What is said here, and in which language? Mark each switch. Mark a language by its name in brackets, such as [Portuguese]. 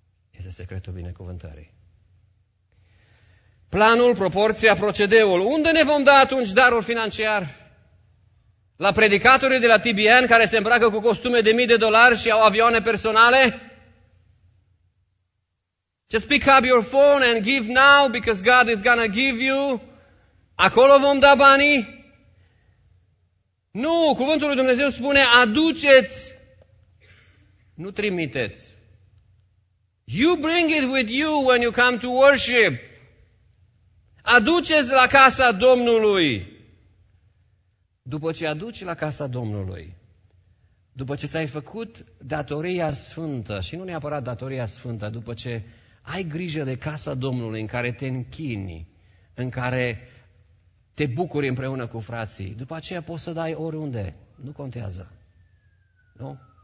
[Romanian] Este secretul binecuvântării. Planul, proporția, procedeul. Unde ne vom da atunci darul financiar? La predicatorii de la TBN care se îmbracă cu costume de $1,000 și au avioane personale? [English] Just pick up your phone and give now because God is gonna give you. [Romanian] Acolo vom da banii? Nu, cuvântul lui Dumnezeu spune aduceți, nu trimiteți. [English] You bring it with you when you come to worship. [Romanian] Aduceți la casa Domnului. După ce aduci la casa Domnului, după ce ți-ai făcut datoria sfântă, și nu neapărat datoria sfântă, după ce ai grijă de casa Domnului în care te închini, în care te bucuri împreună cu frații, după aceea poți să dai oriunde, nu contează. Nu?